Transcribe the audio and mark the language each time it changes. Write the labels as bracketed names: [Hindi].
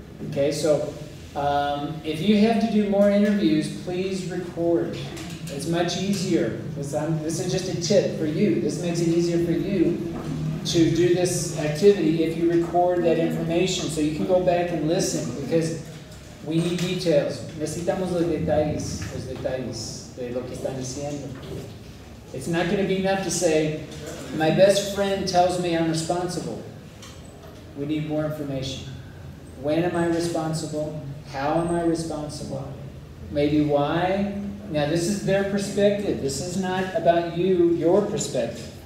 [English] Okay, so if you have to do more interviews, please record. It's much easier. This is just a tip for you. This makes it easier for you to do this activity if you record that information so you can go back and listen, because we need details. [Spanish] Necesitamos los detalles de lo que están diciendo. [English] It's not going to be enough to say, my best friend tells me I'm responsible. We need more information. When am I responsible? How am I responsible? Maybe why? Now, this is their perspective. This is not about you, your perspective.